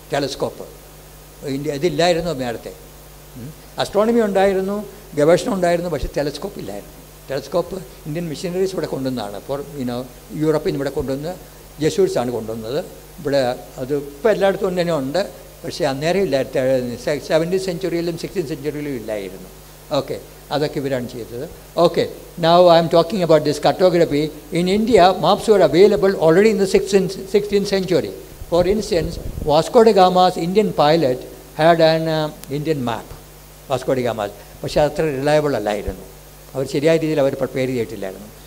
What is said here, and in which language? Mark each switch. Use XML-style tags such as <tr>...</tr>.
<ml>Telescope India ഇതില്ലായിരുന്നു നേരത്തെ. Astronomy ഉണ്ടായിരുന്നു, ഗവേഷണം ഉണ്ടായിരുന്നു, പക്ഷേ ടെലസ്കോപ്പ് ഇല്ലായിരുന്നു. ടെലസ്കോപ്പ് ഇന്ത്യൻ മിഷനറീസ് ഇവിടെ കൊണ്ടുവന്നതാണ്, യുനോ, യൂറോപ്പിൽ നിന്ന് ഇവിടെ കൊണ്ടുവന്ന് ജെസ്യൂട്സാണ് കൊണ്ടുവന്നത് ഇവിടെ. അത് ഇപ്പോൾ എല്ലായിടത്തും തന്നെ ഉണ്ട്, പക്ഷേ അന്നേരം ഇല്ലായിരുന്നു.</ml> <en>17th century, 16th century</en> <ml>ഇല്ലായിരുന്നു. ഓക്കെ, അതൊക്കെ ഇവരാണ് ചെയ്തത്.</ml> <en>Okay, now I am talking about this cartography. In India maps were available already in the 16th century. For instance, Vasco da Gama's Indian pilot had an Indian map, Vasco da Gama's.</en> <ml>പക്ഷേ അത്ര reliable അല്ലായിരുന്നു, അവർ ശരിയായ രീതിയിൽ അവർ prepare ചെയ്തിട്ടില്ലായിരുന്നു.</ml>